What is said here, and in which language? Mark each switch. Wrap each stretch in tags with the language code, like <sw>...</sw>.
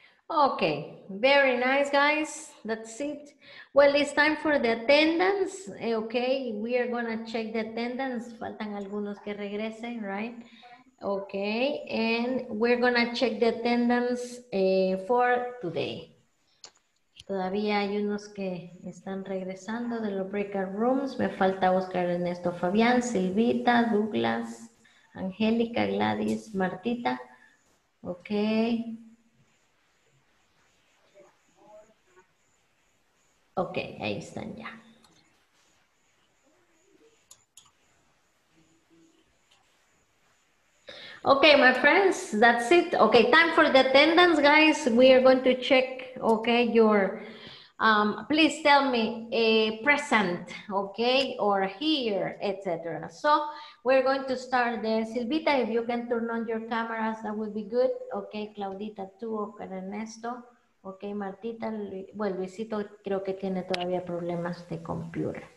<en>Okay, very nice, guys. That's it. Well, it's time for the attendance. Okay, we are going to check the attendance.</en> <es>Faltan algunos que regresen,</es> <en>right? Okay, and we're going to check the attendance for today.</en> <es>Todavía hay unos que están regresando de los breakout rooms. Me falta Oscar, Ernesto, Fabián, Silvita, Douglas, Angélica, Gladys, Martita. Okay. Okay, ahí están ya.</es> <en>Okay, my friends, that's it. Okay, time for the attendance, guys. We are going to check, okay, your, please tell me a present, okay, or here, etc. So we're going to start there. Silvita, if you can turn on your cameras, that would be good. Okay, Claudita, too, okay, Ernesto.</en> <es>Ok, Martita, bueno, Luisito creo que tiene todavía problemas de computer.</es>